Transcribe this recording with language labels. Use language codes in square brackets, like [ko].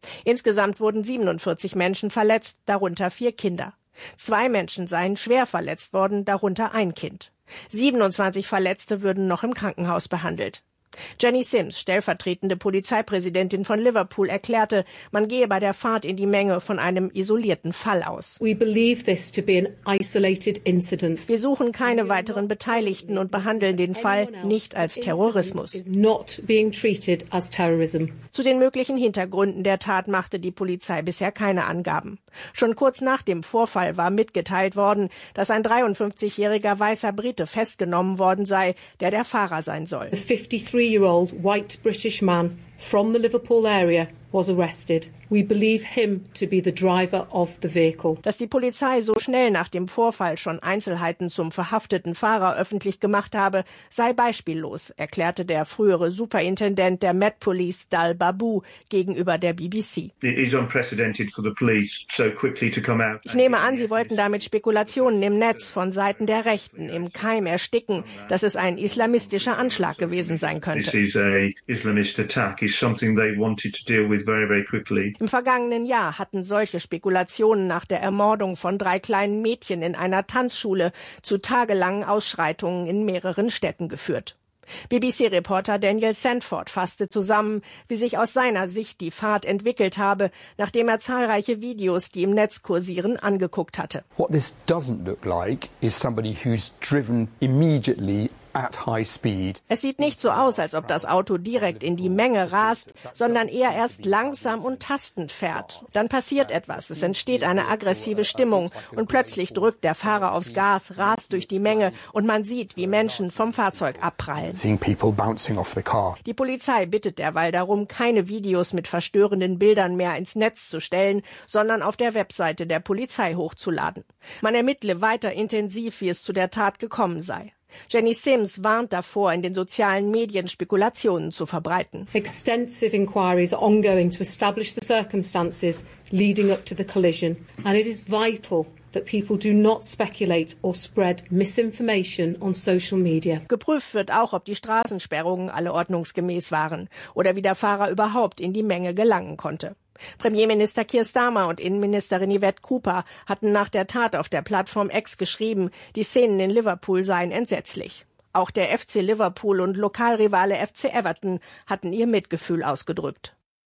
[de] Insgesamt wurden 47 Menschen verletzt, darunter 4 Kinder. 2 Menschen seien schwer verletzt worden, darunter 1 Kind. 27 Verletzte würden noch im Krankenhaus behandelt. Jenny Sims, stellvertretende Polizeipräsidentin von Liverpool, erklärte, man gehe bei der Fahrt in die Menge von einem isolierten Fall aus. [en] We believe this to be an isolated incident. [de] Wir suchen keine weiteren Beteiligten und behandeln den Fall nicht als Terrorismus. [en] Not being treated as terrorism. [de] Zu den möglichen Hintergründen der Tat machte die Polizei bisher keine Angaben. Schon kurz nach dem Vorfall war mitgeteilt worden, dass ein 53-jähriger weißer Brite festgenommen worden sei, der Fahrer sein soll. [en] Three-year-old white British man from the Liverpool area was arrested. We believe him to be the driver of the vehicle. [de] Dass die Polizei so schnell nach dem Vorfall schon Einzelheiten zum verhafteten Fahrer öffentlich gemacht habe, sei beispiellos, erklärte der frühere Superintendent der Met Police, Dal Babu, gegenüber der BBC. [en] It is unprecedented for the police so quickly to come out. [de] Ich nehme an, sie wollten damit Spekulationen im Netz von Seiten der Rechten im Keim ersticken, dass es ein islamistischer Anschlag gewesen sein könnte. [en] This is a Islamist attack. It's something they wanted to deal with very, very quickly. [de] Im vergangenen Jahr hatten solche Spekulationen nach der Ermordung von 3 kleinen Mädchen in einer Tanzschule zu tagelangen Ausschreitungen in mehreren Städten geführt. BBC-Reporter Daniel Sandford fasste zusammen, wie sich aus seiner Sicht die Fahrt entwickelt habe, nachdem er zahlreiche Videos, die im Netz kursieren, angeguckt hatte. [en] What this doesn't look like is somebody who's driven immediately at high speed. [de] Es sieht nicht so aus, als ob das Auto direkt in die Menge rast, sondern eher erst langsam und tastend fährt. Dann passiert etwas, es entsteht eine aggressive Stimmung und plötzlich drückt der Fahrer aufs Gas, rast durch die Menge und man sieht, wie Menschen vom Fahrzeug abprallen. Die Polizei bittet derweil darum, keine Videos mit verstörenden Bildern mehr ins Netz zu stellen, sondern auf der Webseite der Polizei hochzuladen. Man ermittle weiter intensiv, wie es zu der Tat gekommen sei. Jenny Sims warnt davor, in den sozialen Medien Spekulationen zu verbreiten. [en] Extensive inquiries are ongoing to establish the circumstances leading up to the collision. And it is vital that people do not speculate or spread misinformation on social media. [de] Geprüft wird auch, ob die Straßensperrungen alle ordnungsgemäß waren oder wie der Fahrer überhaupt in die Menge gelangen konnte. Premierminister Keir Starmer und Innenministerin Yvette Cooper hatten nach der Tat auf der Plattform X geschrieben, die Szenen in Liverpool seien entsetzlich. Auch der FC Liverpool und Lokalrivale FC Everton hatten ihr Mitgefühl ausgedrückt.